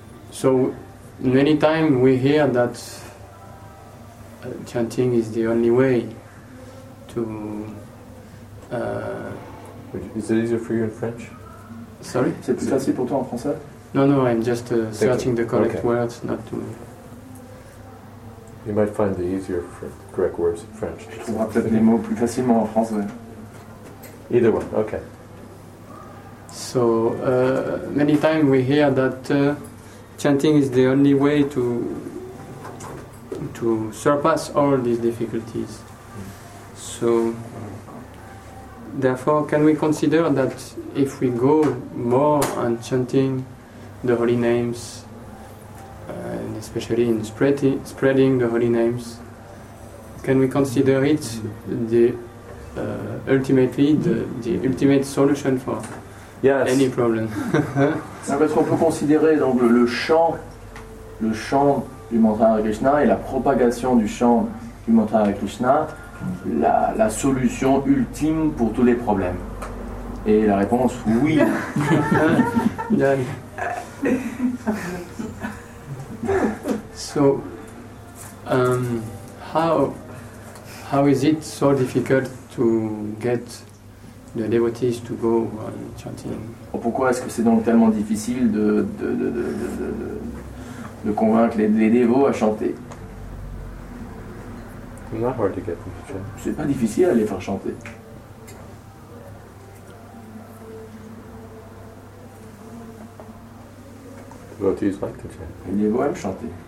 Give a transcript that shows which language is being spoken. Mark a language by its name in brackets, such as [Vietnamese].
[English] So many times we hear that chanting is the only way to... Is it easier for you in French? Sorry? [French] C'est plus facile pour toi en français? [English] No, I'm just searching the correct words, not to... You might find the easier correct words in French. [French] Je trouverai peut-être les mots plus facilement en français. [English] Either one, okay. So, many times we hear that chanting is the only way to surpass all these difficulties. So, therefore, can we consider that if we go more on chanting the holy names, and especially in spreading the holy names, can we consider it the ultimate solution for yes. any problem? [French] Parce qu'on peut considérer donc le chant du mantra Hare Krishna et la propagation du chant du mantra Hare Krishna la solution ultime pour tous les problèmes. Et la réponse, oui. [English] So how is it so difficult to get the devotees to go on chanting? [French] Pourquoi est-ce que c'est donc tellement difficile de convaincre les dévots à chanter? [English] It's not hard to get them to chant. [French] C'est pas difficile à les faire chanter. [English] Devotees like to chant. [French] Les dévots aiment chanter.